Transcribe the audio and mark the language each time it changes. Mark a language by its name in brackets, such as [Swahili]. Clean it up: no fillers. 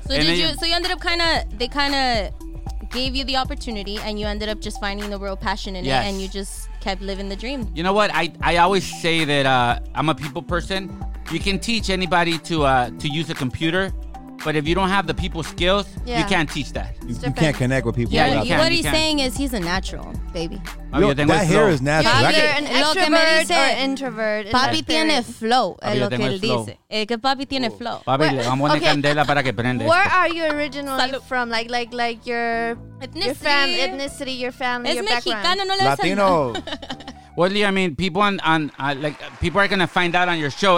[English] So you ended up kind of gave you the opportunity and you ended up just finding the real passion in it and you just kept living the dream. You know what? I always say that I'm a people person. You can teach anybody to use a computer. But if you don't have the people skills, you can't teach that. You can't connect with people. Yeah, what he's saying is he's a natural, baby. That hair is natural. Yeah, either an extrovert or introvert. [Spanish] Papi tiene flow, es lo que él dice. Que papi tiene flow. Papi, le vamos a poner candela para que prenda. [English] Where are you originally from? Like your ethnicity, your family, your background. [Spanish] Es mexicano, no le [English] Latino. What do you mean? People people are going to find out on your show.